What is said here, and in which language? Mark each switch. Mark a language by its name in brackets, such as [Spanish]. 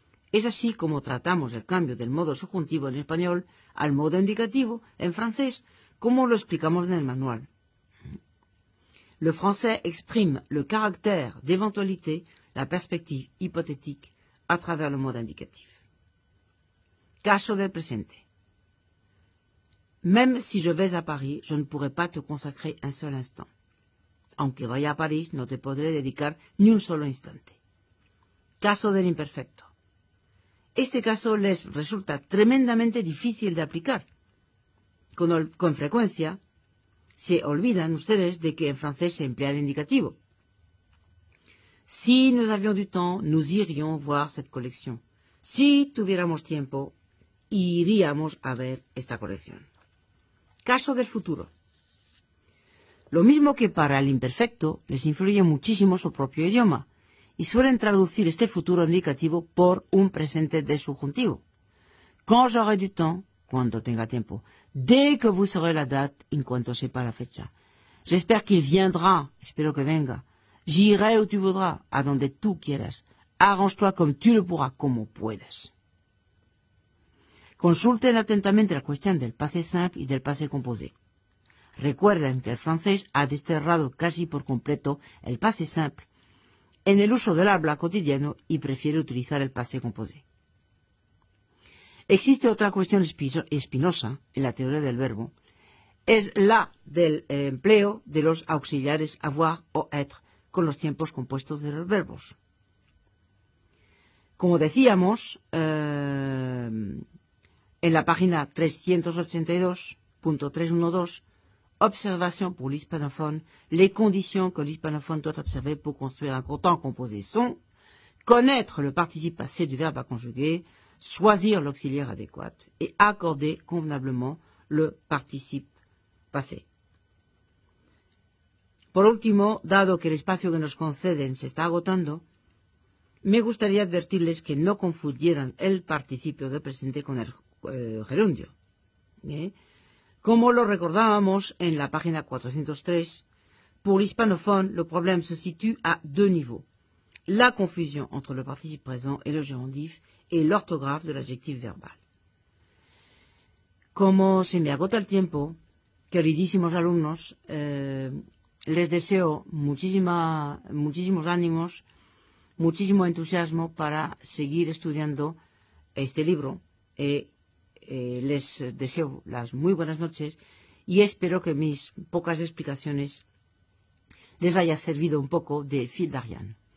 [Spanish] Es así como tratamos el cambio del modo subjuntivo en español al modo indicativo en francés, como lo explicamos en el manual. [French] Le français exprime le caractère d'éventualité, la perspective hypothétique, à travers le mode indicatif. [Spanish] caso del presente. [French] Même si je vais à Paris, je ne pourrai pas te consacrer un seul instant. [Spanish] Aunque vaya a París, no te podré dedicar ni un solo instante. Caso del imperfecto. Este caso les resulta tremendamente difícil de aplicar. Con frecuencia, se olvidan ustedes de que en francés se emplea el indicativo. [French] Si nous avions du temps, nous irions voir cette collection. [Spanish] Si tuviéramos tiempo, iríamos a ver esta colección. Caso del futuro. Lo mismo que para el imperfecto, les influye muchísimo su propio idioma y suelen traducir este futuro indicativo por un presente de subjuntivo. [French] Quand j'aurai du temps, [Spanish] cuando tenga tiempo. [French] Dès que vous saurez la date, [Spanish] en cuanto sepa la fecha. [French] J'espère qu'il viendra, [Spanish] espero que venga. [French] J'irai où tu voudras, [Spanish] a donde tú quieras. [French] Arrange-toi comme tu le pourras, [Spanish] como puedas. Consulten atentamente la cuestión del pase simple y del pase composé. Recuerden que el francés ha desterrado casi por completo el pase simple en el uso del habla cotidiano y prefiere utilizar el pase composé. Existe otra cuestión espinosa en la teoría del verbo. Es la del empleo de los auxiliares avoir o être con los tiempos compuestos de los verbos. Como decíamos, en la página 382.312, [French] Observation pour l'hispanophone, les conditions que l'hispanophone doit observer pour construire un temps composé sont connaître le participe passé du verbe à conjuguer, choisir l'auxiliaire adéquat et accorder convenablement le participe passé. [Spanish] Por último, dado que el espacio que nos conceden se está agotando, me gustaría advertirles que no confundieran el participio del presente con el gerundio. Como lo recordábamos en la página 403, [French] pour l'hispanophone, le problème se situe à deux niveaux. La confusion entre le participe présent et le gerundif et l'orthographe de l'adjectif verbal. [Spanish] Como se me agota el tiempo, queridísimos alumnos, les deseo muchísimos ánimos, muchísimo entusiasmo para seguir estudiando este libro. Les deseo las muy buenas noches y espero que mis pocas explicaciones les haya servido un poco de fil d'Ariane.